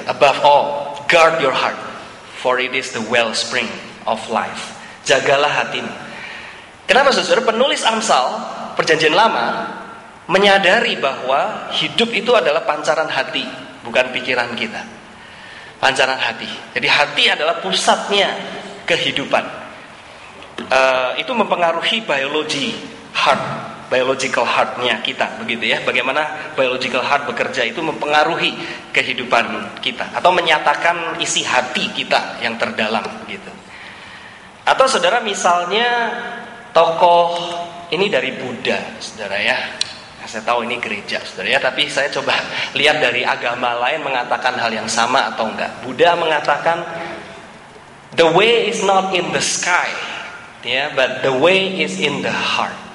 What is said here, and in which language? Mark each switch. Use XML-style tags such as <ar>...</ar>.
<en>Above all, guard your heart, for it is the wellspring of life.</en> <id>Jagalah hatimu. Kenapa, saudara? Penulis Amsal, Perjanjian Lama, menyadari bahwa hidup itu adalah pancaran hati, bukan pikiran kita. Pancaran hati. Jadi hati adalah pusatnya kehidupan. Itu mempengaruhi biologi heart, biological heartnya kita, begitu ya. Bagaimana biological heart bekerja itu mempengaruhi kehidupan kita atau menyatakan isi hati kita yang terdalam, gitu. Atau saudara, misalnya tokoh ini dari Buddha, saudara ya. Saya tahu ini gereja, saudara ya, tapi saya coba lihat dari agama lain mengatakan hal yang sama atau enggak. Buddha mengatakan,</id> <en>the way is not in the sky, yeah, but the way is in the heart.</en>